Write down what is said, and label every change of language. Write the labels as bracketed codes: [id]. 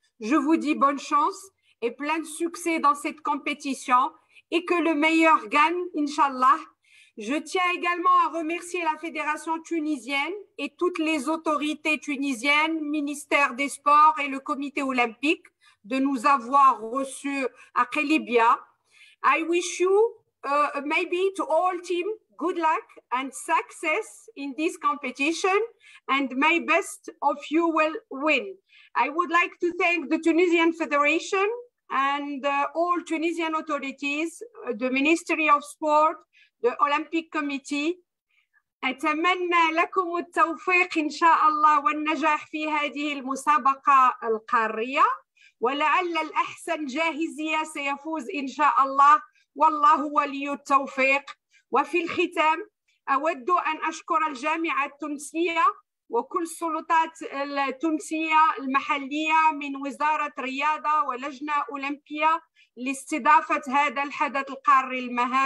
[fr] Je vous dis bonne chance et plein de succès dans cette compétition et que le meilleur gagne, Inch'Allah. Je tiens également à remercier la Fédération tunisienne et toutes les autorités tunisiennes, ministère des Sports et le Comité olympique de nous avoir reçus à Qelibia. [en] I wish you, maybe to all team, good luck and success in this competition and may best of you will win. I would like to thank the Tunisian Federation and all Tunisian authorities, the Ministry of Sport, the Olympic Committee. [ar] أتمنى لكم التوفيق إن شاء الله والنجاح في هذه المسابقة القارية ولعل الأحسن جاهزية سيفوز إن شاء الله والله ولي التوفيق وفي الختام أود أن أشكر الجامعة التونسية وكل السلطات التونسية المحلية من وزارة رياضة ولجنة أولمبية لاستضافة هذا الحدث القاري